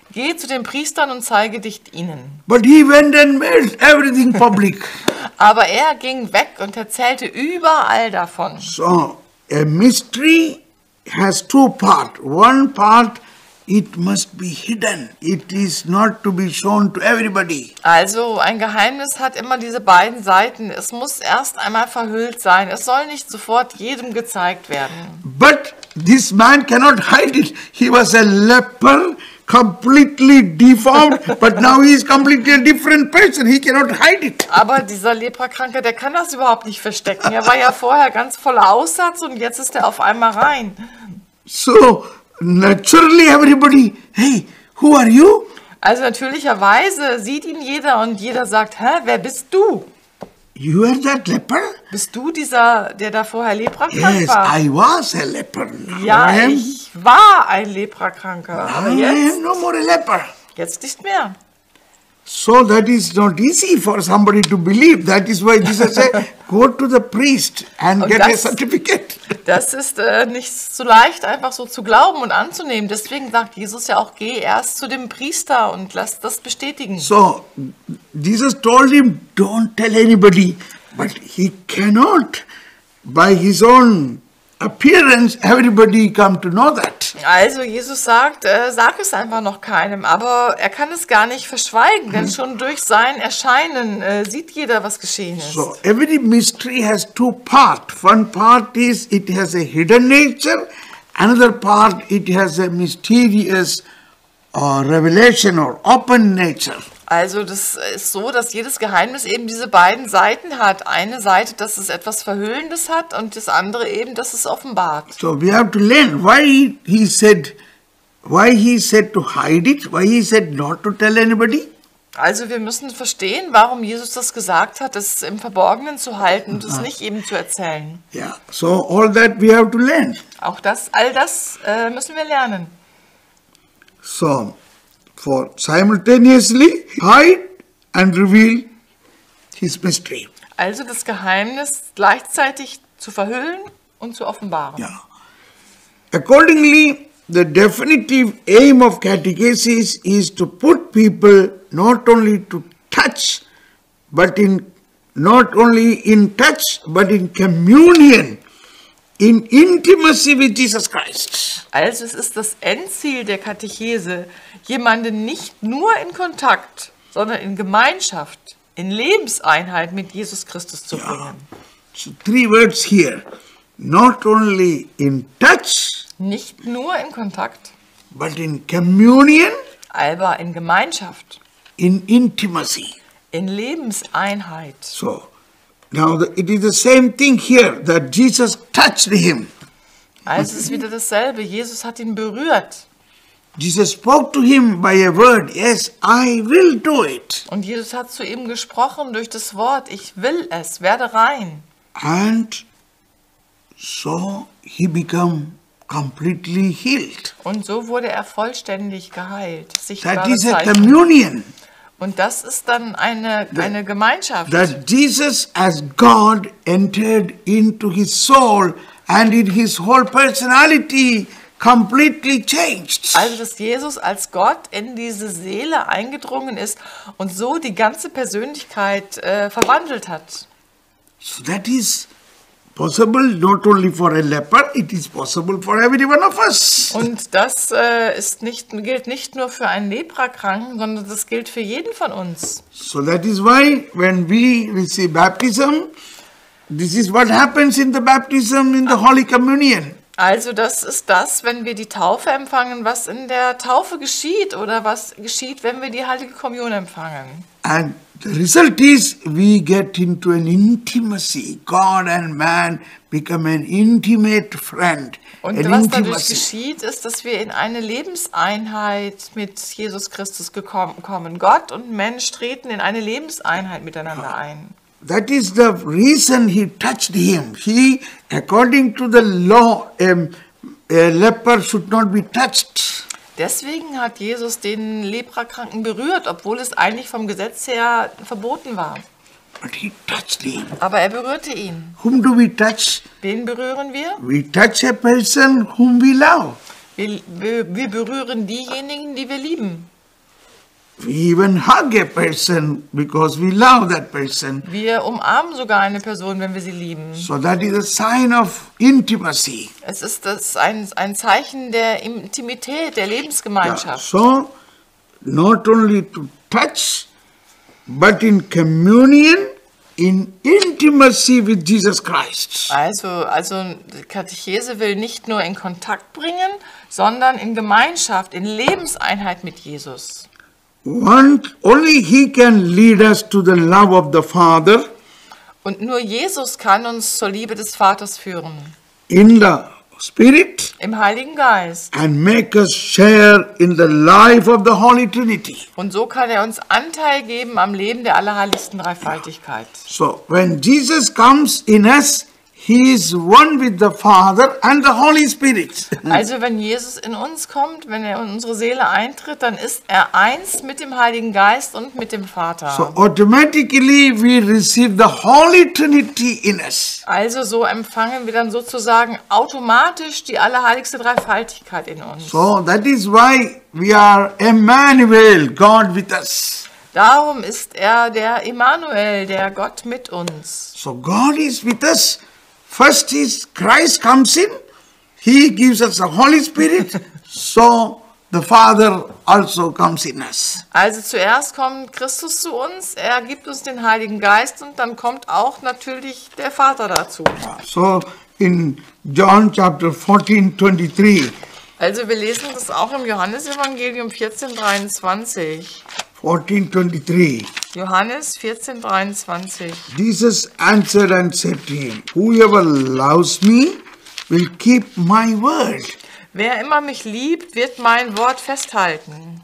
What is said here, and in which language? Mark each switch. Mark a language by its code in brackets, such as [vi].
[de] Geh zu den Priestern und zeige dich ihnen. [en] But he went and made everything public. [de] Aber er ging weg und erzählte überall davon. [en] So, a mystery has two parts. One part, it must be hidden. It is not to be shown to everybody. [de] Also, ein Geheimnis hat immer diese beiden Seiten. Es muss erst einmal verhüllt sein. Es soll nicht sofort jedem gezeigt werden. [en] But this man cannot hide it. He was a leper, completely deformed, but now he is completely a different person. He cannot hide it. [de] Aber dieser Leprakranke, der kann das überhaupt nicht verstecken. Er war ja vorher ganz voller Aussatz und jetzt ist er auf einmal rein. [en] So, naturally everybody, hey, who are you? [de] Also natürlicherweise sieht ihn jeder und jeder sagt, hä, wer bist du? [en] You are that leper? [de] Bist du dieser, der da vorher Leprakranker [en] war? Yes, I was a leper. [de] Ja, ich war ein Leprakranker. [en] I am no more a leper. [de] Jetzt nicht mehr. [en] So that is not easy for somebody to believe. That is why Jesus said, go to the priest and get a certificate. [de] Das ist nicht so leicht, einfach so zu glauben und anzunehmen. Deswegen sagt Jesus ja auch, geh erst zu dem Priester und lass das bestätigen. [en] So, Jesus told him, don't tell anybody. But he cannot, by his own appearance, everybody come to know that. [de] Also Jesus sagt, sag es einfach noch keinem, aber er kann es gar nicht verschweigen, denn schon durch sein Erscheinen sieht jeder, was geschehen ist. [en] So, every mystery has two parts. One part is, it has a hidden nature, another part, it has a mysterious revelation or open nature. [de] Also das ist so, dass jedes Geheimnis eben diese beiden Seiten hat. Eine Seite, dass es etwas Verhüllendes hat und das andere eben, dass es offenbart. [en] So we have to learn why he said to hide it, why he said not to tell anybody. [de] Also wir müssen verstehen, warum Jesus das gesagt hat, es im Verborgenen zu halten und es nicht eben zu erzählen. [en] Yeah, so all that we have to learn. [de] Auch das, all das müssen wir lernen. [en] So, for simultaneously hide and reveal his mystery. [de] Also das Geheimnis gleichzeitig zu verhüllen und zu offenbaren. [en] Yeah. Accordingly, the definitive aim of catechesis is to put people not only in touch, but in communion, in intimacy with Jesus Christ. [de] Also es ist das Endziel der Katechese, jemanden nicht nur in Kontakt, sondern in Gemeinschaft, in Lebenseinheit mit Jesus Christus zu bringen. [en] Ja. So, three words here. Not only in touch, [de] nicht nur in Kontakt, [en] but in communion, [de] aber in Gemeinschaft, [en] in intimacy, [de] in Lebenseinheit. [en] So, now it is the same thing here, that Jesus touched him. [de] Also es ist wieder dasselbe, Jesus hat ihn berührt. [en] Jesus spoke to him by a word, yes, I will do it. [de] Und Jesus hat zu ihm gesprochen durch das Wort, ich will es, werde rein. [en] And so he became completely healed. [de] Und so wurde er vollständig geheilt. [en] That is a communion. [de] Und das ist dann eine Gemeinschaft. [en] That Jesus as God entered into his soul and in his whole personality completely changed. [de] Also dass Jesus als Gott in diese Seele eingedrungen ist und so die ganze Persönlichkeit verwandelt hat. [en] So that is possible not only for a leper, it is possible for every one of us. [de] Und das gilt nicht nur für einen Leprakranken, sondern das gilt für jeden von uns. [en] So that is why when we receive baptism, this is what happens in the baptism in the Holy Communion. [de] Also das ist das, wenn wir die Taufe empfangen, was in der Taufe geschieht oder was geschieht, wenn wir die Heilige Kommunion empfangen. [en] And the result is, we get into an intimacy. God and man become an intimate friend. [de] Und an [en] was intimacy. [de] Dadurch geschieht, ist, dass wir in eine Lebenseinheit mit Jesus Christus kommen. Gott und Mensch treten in eine Lebenseinheit miteinander ein. [en] That is the reason he touched him. He, according to the law, a leper should not be touched. [de] Deswegen hat Jesus den Leprakranken berührt, obwohl es eigentlich vom Gesetz her verboten war. [en] But he touched him. [de] Aber er berührte ihn. [en] Whom do we touch? [de] Wen berühren wir? [en] We touch a person whom we love. [de] Wir berühren diejenigen, die wir lieben. [en] We even hug a person because we love that person. [de] Wir umarmen sogar eine Person, wenn wir sie lieben. [en] So that is a sign of intimacy. [de] Es ist das ein Zeichen der Intimität, der Lebensgemeinschaft. [en] Yeah. So, not only to touch, but in communion, in intimacy with Jesus Christ. [de] Also die Katechese will nicht nur in Kontakt bringen, sondern in Gemeinschaft, in Lebenseinheit mit Jesus. [en] Only he can lead us to the love of the Father. [de] Und nur Jesus kann uns zur Liebe des Vaters führen. [en] In the Spirit. [de] Im Heiligen Geist. [en] And make us share in the life of the Holy Trinity. [de] Und so kann er uns Anteil geben am Leben der allerheiligsten Dreifaltigkeit. [en] So, when Jesus comes in us, he is one with the Father and the Holy Spirit. [de] Also wenn Jesus in uns kommt, wenn er in unsere Seele eintritt, dann ist er eins mit dem Heiligen Geist und mit dem Vater. [en] So automatically we receive the Holy Trinity in us. [de] Also so empfangen wir dann sozusagen automatisch die allerheiligste Dreifaltigkeit in uns. [en] So that is why we are Emmanuel, God with us. [de] Darum ist er der Emmanuel, der Gott mit uns. [en] So God is with us. First is Christ comes in, he gives us the Holy Spirit, so the Father also comes in us. [de] Also zuerst kommt Christus zu uns, er gibt uns den Heiligen Geist und dann kommt auch natürlich der Vater dazu. [en] So in John chapter 14:23. [de] Also wir lesen das auch im Johannesevangelium 14:23. [en] 14:23. [de] Johannes 14:23. [en] Jesus answered and said to him, "Whoever loves me will keep my word." [de] Wer immer mich liebt, wird mein Wort festhalten.